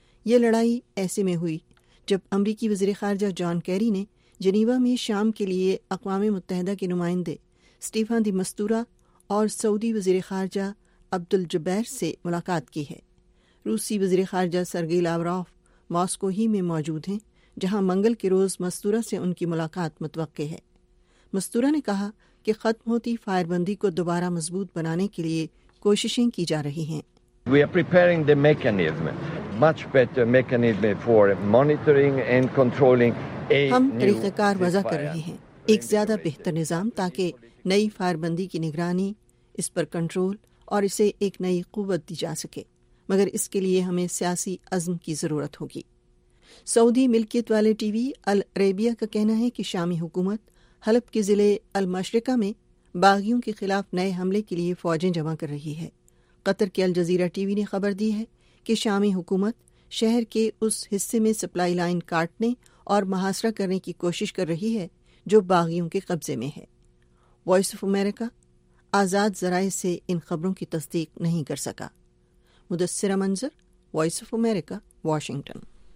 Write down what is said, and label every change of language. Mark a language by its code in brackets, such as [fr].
[ur] یہ لڑائی ایسے میں ہوئی جب امریکی وزیر خارجہ جان کیری نے جنیوا میں شام کے لیے اقوام متحدہ کے نمائندے اسٹیفان دی مستورا اور سعودی وزیر خارجہ عبدالجبیر سے ملاقات کی ہے۔ روسی وزیر خارجہ سرگی لاوروف ماسکو ہی میں موجود ہیں جہاں منگل کے روز مستورا سے ان کی ملاقات متوقع ہے۔ مستورا نے کہا کہ ختم ہوتی فائر بندی کو دوبارہ مضبوط بنانے کے لیے کوششیں کی جا رہی ہیں۔ [en] We are preparing the mechanism, much better mechanism for monitoring and controlling a new [ur] ہم طریقہ کار وضع کر رہے ہیں، ایک زیادہ بہتر نظام تاکہ نئی فائر بندی کی نگرانی، اس پر کنٹرول اور اسے ایک نئی قوت دی جا سکے، مگر اس کے لیے ہمیں سیاسی عزم کی ضرورت ہوگی۔ سعودی ملکیت والے ٹی وی العربیہ کا کہنا ہے کہ شامی حکومت حلب کے ضلع المشرقہ میں باغیوں کے خلاف نئے حملے کے لیے فوجیں جمع کر رہی ہے۔ قطر کے الجزیرہ ٹی وی نے خبر دی ہے کہ شامی حکومت شہر کے اس حصے میں سپلائی لائن کاٹنے اور محاصرہ کرنے کی کوشش کر رہی ہے جو باغیوں کے قبضے میں ہے۔ وائس آف امریکہ آزاد ذرائع سے ان خبروں کی تصدیق نہیں کر سکا۔ مدثرہ منظر، وائس آف امریکہ، واشنگٹن۔